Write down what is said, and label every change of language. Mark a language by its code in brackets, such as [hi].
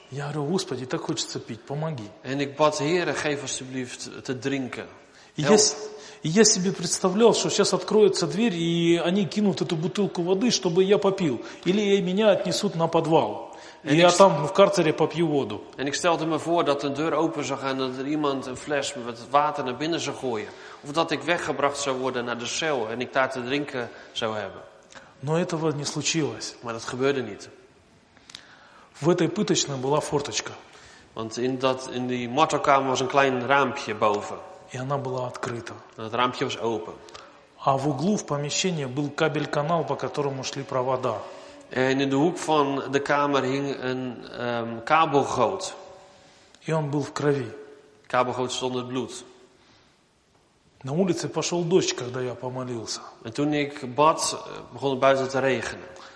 [ru] Я говорю, Господи, так хочется пить, помоги. [nl] En ik bad, Heere, geef alsjeblieft te drinken. [ru] Я себе представлял, что сейчас откроется дверь, и они кинут эту бутылку воды, чтобы я попил. Или меня отнесут на подвал. И я там в карцере попью воду. [nl] En ik stelde me voor dat een deur open zou gaan, dat er iemand een fles met water naar binnen zou gooien. Of dat ik weggebracht zou worden naar de cel en ik daar te drinken zou hebben. [ru] Но этого не случилось. [nl] Maar dat gebeurde niet. [ru] В этой пыточной была форточка. [nl] Want in die martelkamer was een klein raampje boven. [ru] И она была открыта. [nl] Dat raampje was open. [ru] А в углу в помещении был кабель-канал, по которому шли провода. [nl] En in de hoek van de kamer hing een kabelgoot. [ru] И он был в крови. [nl] Kabelgoot stond het bloed. [ru] На улице пошел дождь, когда я помолился. [nl] En toen ik bad, begon het buiten te regenen.